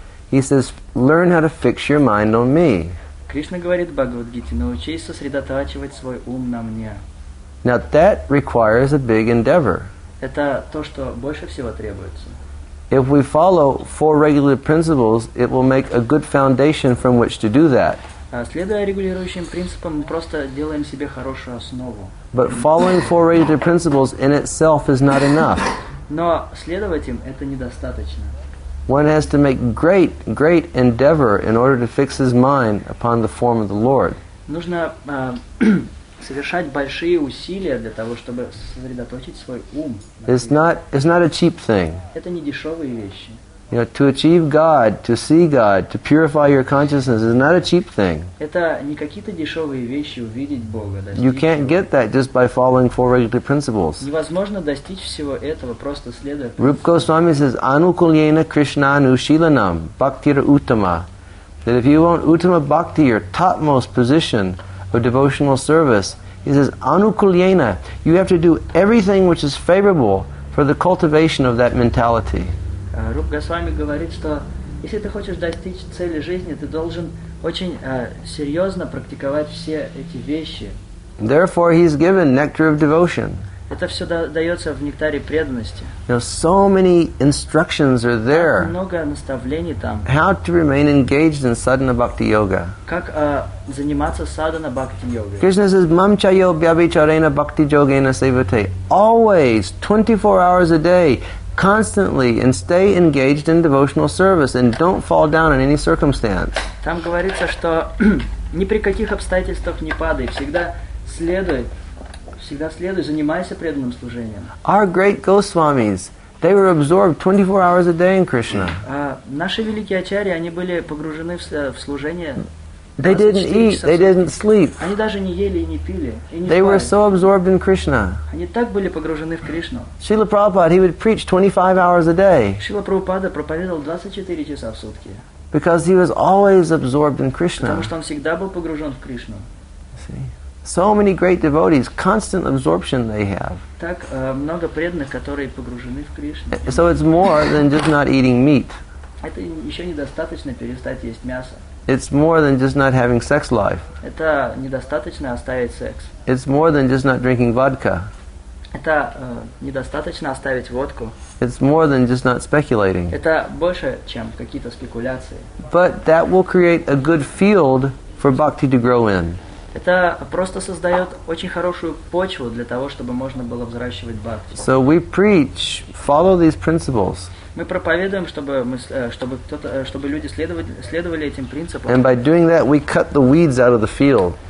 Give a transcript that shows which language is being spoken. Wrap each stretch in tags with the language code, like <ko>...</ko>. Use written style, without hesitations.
<en>He says, "Learn how to fix your mind on me."</en> <ru>Krishna говорит Бхагавад Гите, научись сосредотачивать свой ум на мне.</ru> <en>Now that requires a big endeavor.</en> <ru>Это то, что больше всего требуется.</ru> <en>If we follow four regular principles, it will make a good foundation from which to do that.</en> <ru>Следуя регулирующим принципам, мы просто делаем себе хорошую основу.</ru> <en>But following four regular principles in itself is not enough.</en> <ru>Но следовать им это недостаточно.</ru> <en>One has to make great, great endeavor in order to fix his mind upon the form of the Lord.</en> <ru>Нужно совершать большие усилия для того, чтобы сосредоточить свой ум.</ru> <en>It's not a cheap thing.</en> <ru>Это не дешевые вещи.</ru> <en>You know, to achieve God, to see God, to purify your consciousness is not a cheap thing.</en> <ru>Это не какие-то дешевые вещи увидеть Бога.</ru> <en>You can't get that just by following four regular principles.</en> <ru>Невозможно достичь всего этого, просто следуя принципам.</ru> <en>Rupa Goswami says,</en> <sa>Anukulyena Krishna Anushilanam Bhaktira Uttama.</sa> <en>That if you want Uttama Bhakti, your topmost position of devotional service, he says, Anukulyena, you have to do everything which is favorable for the cultivation of that mentality.</en> <ru>Рупа Госвами говорит, что если ты хочешь достичь цели жизни, ты должен очень серьезно практиковать все эти вещи.</ru> <en>Therefore, he's given nectar of devotion.</en> <ru>Это все дается в нектаре преданности.</ru> <en>Now, so many instructions are there.</en> <ru>Так много наставлений там.</ru> <en>How to remain engaged in sadhana bhakti yoga?</en> <ru>Как заниматься sadhana bhakti yoga?</ru> <en>Krishna says,</en> <sa>"Mamcha yo bhyabhicharena bhakti yogena sevate."</sa> <en>Always, 24 hours a day. Constantly and stay engaged in devotional service and don't fall down in any circumstance.</en> <ru>Там говорится, что ни при каких обстоятельствах не падай, всегда следуй, занимайся преданным служением.</ru> <en>Our great Goswamis, they were absorbed 24 hours a day in Krishna.</en> <ru>Наши великие ачарьи, они были погружены в служение.</ru> <en>They didn't eat, they didn't sleep.</en> <ru>Они даже не ели и не пили.</ru> <en>They were so absorbed in Krishna.</en> <ru>Они так были погружены в Кришну.</ru> <en>Srila Prabhupada, he would preach 25 hours a day.</en> <ru>Srila Prabhupada проповедовал 24 часа в сутки.</ru> <en>Because he was always absorbed in Krishna.</en> <ru>Потому что он всегда был погружен в Кришну.</ru> <en>See? So many great devotees, constant absorption they have.</en> <ru>Так много преданных, которые погружены в Кришну.</ru> <en>So it's more than just not eating meat.</en> <ru>Это еще недостаточно перестать есть мясо.</ru> <en>It's more than just not having sex life.</en> <ru>Это недостаточно оставить секс.</ru> <en>It's more than just not drinking vodka.</en> <ru>Это недостаточно оставить водку.</ru> <en>It's more than just not speculating.</en> <ru>Это больше, чем какие-то спекуляции.</ru> <en>But that will create a good field for bhakti to grow in.</en> <ru>Это просто создает очень хорошую почву для того, чтобы можно было взращивать бхакти.</ru> <en>So we preach, follow these principles.</en> <ru>Мы проповедуем, чтобы люди следовали этим принципам.</ru> <en>And by doing that, we cut the weeds out of the field.</en>